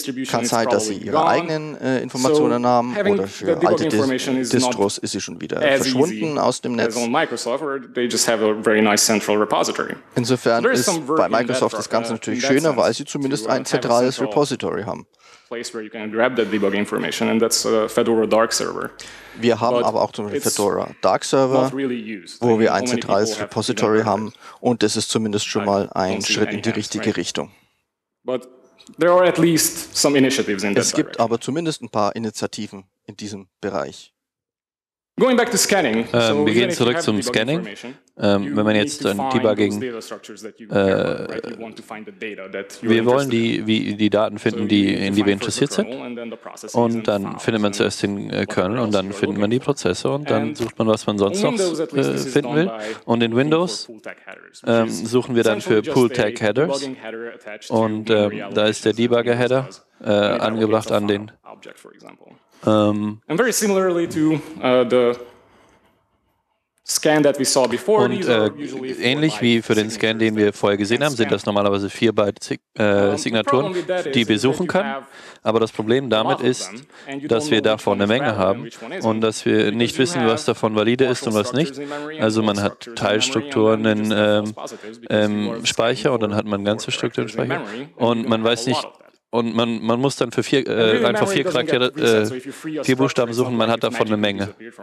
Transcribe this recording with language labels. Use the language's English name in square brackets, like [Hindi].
[German] Kann sein, dass sie ihre eigenen Informationen haben oder für alte Distros ist sie schon wieder verschwunden aus dem Netz. Insofern ist bei Microsoft das Ganze natürlich schöner, weil sie zumindest ein zentrales Repository haben. [English] Place where you can grab that debug information, and that's Fedora Dark Server. [German] Wir haben aber auch zum Beispiel Fedora Dark Server, [English] really [German] wo wir ein zentrales Repository haben, und das ist zumindest schon mal ein Schritt in die richtige Richtung. [English] But there are at least some initiatives in [German] es [English] that [German] gibt [English] direction. [German] Aber zumindest ein paar Initiativen in diesem Bereich. [English] Going back to scanning. [German] Wir gehen zurück zum Scanning. Wenn man jetzt ein Debugging, wir wollen die Daten finden, in die wir interessiert sind. Und dann findet man zuerst den Kernel und dann findet man die Prozesse und dann sucht man, was man sonst noch finden will. Und in Windows suchen wir dann für Pool Tag Headers. Und da ist der Debugger Header angebracht an den. [English] And very similarly to the scan that we saw before. [German] Und ähnlich wie für den Scan, den wir vorher gesehen haben, sind das normalerweise 4 Byte Signaturen, die wir suchen können. Aber das Problem damit ist, dass wir davon eine Menge haben und dass wir nicht wissen, was davon valide ist und was nicht. Also man hat Teilstrukturen im Speicher und dann hat man ganze Strukturen im Speicher und man weiß nicht, und man muss dann für 4 einfach 4 Charaktere 4 Buchstaben suchen, man hat davon eine Menge.